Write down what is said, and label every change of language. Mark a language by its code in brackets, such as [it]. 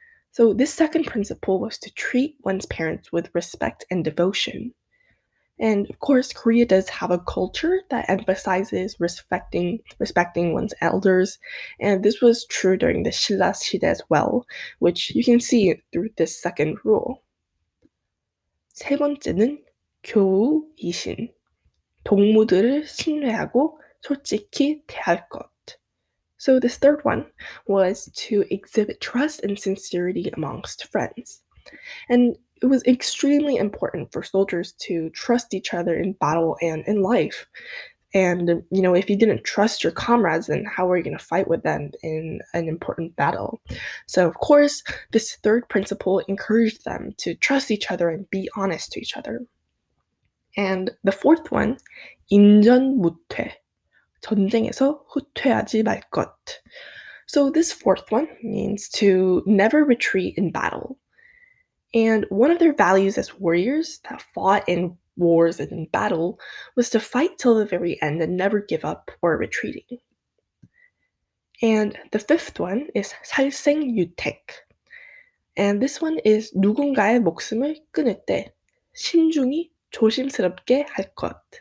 [en] So this second principle was to treat one's parents with respect and devotion. And of course, Korea does have a culture that emphasizes respecting one's elders. And this was true during the Silla Shide as well, which you can see through this second rule. [ko] 세 번째는 교우이신. 동무들을 신뢰하고 솔직히 대할 것. [en] So this third one was to exhibit trust and sincerity amongst friends. And it was extremely important for soldiers to trust each other in battle and in life. And, you know, if you didn't trust your comrades, then how are you going to fight with them in an important battle? So, of course, this third principle encouraged them to trust each other and be honest to each other. And the fourth one, 인전 무퇴. [ko] 전쟁에서 후퇴하지 말 것. [en] So this fourth one means to never retreat in battle. And one of their values as warriors that fought in wars and in battle was to fight till the very end and never give up or retreating. And the fifth one is 살생유택. And this one is [ko] 누군가의 목숨을 끊을 때 신중히 조심스럽게 할 것.